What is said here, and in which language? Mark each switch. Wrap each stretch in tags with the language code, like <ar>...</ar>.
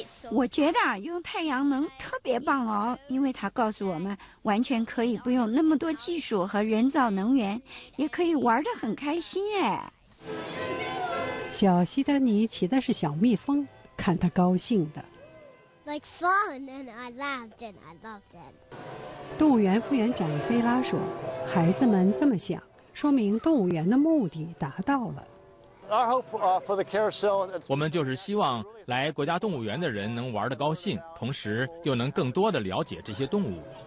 <zh>我觉得用太阳能特别棒哦，因为它告诉我们完全可以不用那么多技术和人造能源，也可以玩得很开心哎。小西德尼骑的是小蜜蜂，看他高兴的。</zh> <en>Like fun and I loved it, I loved it.</en> <zh>动物园副园长菲拉说，孩子们这么想，说明动物园的目的达到了。</zh> <en>Our hope for the carousel,</en> <zh>我们就是希望来国家动物园的人能玩得高兴，同时又能更多地了解这些动物。</zh>